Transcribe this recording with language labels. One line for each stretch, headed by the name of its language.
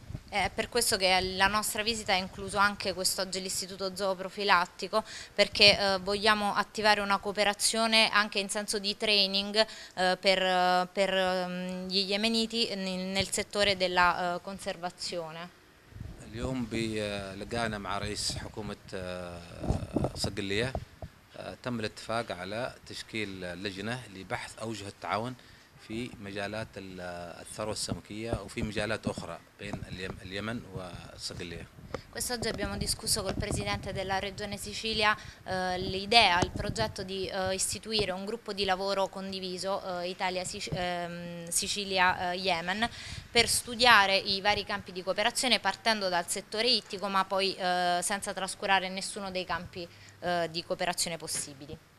Italian: Per questo che la nostra visita ha incluso anche quest'oggi l'Istituto Zooprofilattico, perché vogliamo attivare una cooperazione anche in senso di training per gli yemeniti nel settore della conservazione.
Arabic: اليوم لقانا مع رئيس حكومة صقلية تم الاتفاق على تشكيل لجنة لبحث أوجه التعاون في مجالات الثروة السمكية وفي مجالات أخرى بين اليمن وصقلية.
Italian: Quest'oggi abbiamo discusso col presidente della regione Sicilia l'idea, il progetto di istituire un gruppo di lavoro condiviso Italia-Sicilia-Yemen per studiare i vari campi di cooperazione partendo dal settore ittico ma poi senza trascurare nessuno dei campi di cooperazione possibili.